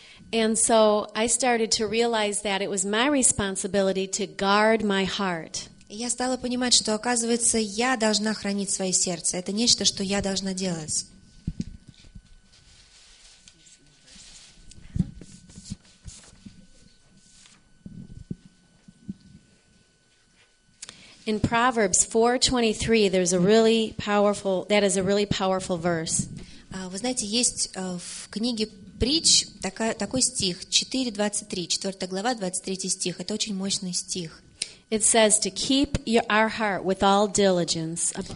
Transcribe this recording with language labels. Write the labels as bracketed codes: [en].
[en] And so I started to realize that it was my responsibility to guard my heart. [ru] И я стала понимать, что, оказывается, я должна хранить свое сердце. Это нечто, что я должна делать. [en] In Proverbs 4:23, there's a really powerful. That is a really powerful verse. [ru] Вы знаете, есть в книге Притч такой стих 4:23, 4 глава, 23 стих. Это очень мощный стих. [en] It says to keep our heart with all diligence.